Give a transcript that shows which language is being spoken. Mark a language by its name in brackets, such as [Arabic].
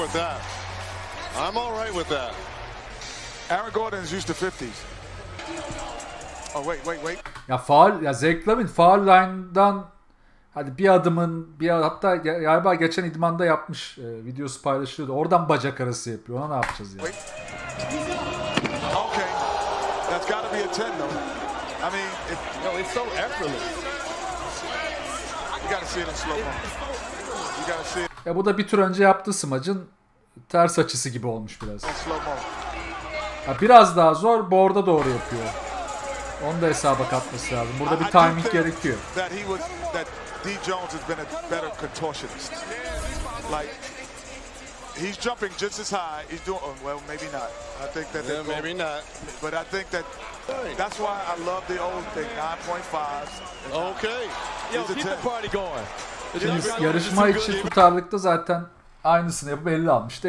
[English] I'm all right with that. Aaron Gordon's used to 50s. Oh wait, wait, wait. [Turkish] Ya faul, ya Zach Lavin faul line'dan hadi bir adımın, bir hatta galiba geçen idmanda yapmış, videosu paylaşıyordu. Oradan bacak arası yapıyor. Ona ne yapacağız ya? Yani? Okay. [English] That's got to be a 10 though. I mean, it's so effortless. You got to see it in slow motion. You got to see it. [Turkish] Ya bu da bir tur önce yaptığı smacın ters açısı gibi olmuş biraz. Ya biraz daha zor, board'a doğru yapıyor. Onu da hesaba katması lazım. Burada bir timing gerekiyor. [English] D. Jones has been a better contortionist. Like, he's jumping just as high. He's doing, oh, well, maybe not. I think that yeah, maybe going, not. But I think that that's why I love the old thing, 9.5. Okay. Yo, keep 10. The party going. [Turkish] Şimdi yarışma için tutarlıkta zaten aynısını yapıp 50 almıştı.